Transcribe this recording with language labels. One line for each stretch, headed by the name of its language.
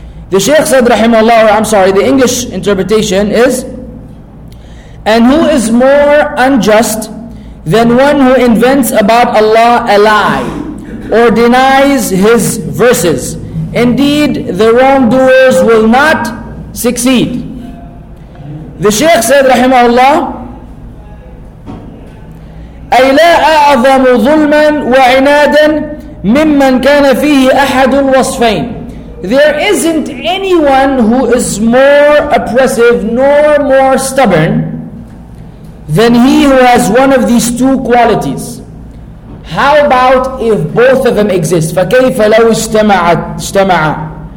English: The Shaykh said, Rahimahullah, I'm sorry, the English interpretation is, and who is more unjust than one who invents about Allah a lie or denies His verses? Indeed, the wrongdoers will not succeed. The Shaykh said, Rahimahullah,
Arabic: أي لا أعظم ظلما وعنادا ممن كان فيه أحد الوصفين.
English: There isn't anyone who is more oppressive nor more stubborn than he who has one of these two qualities. How about if both of them exist?
Arabic: فَكَيْفَ لَوْ اجْتَمَعَ.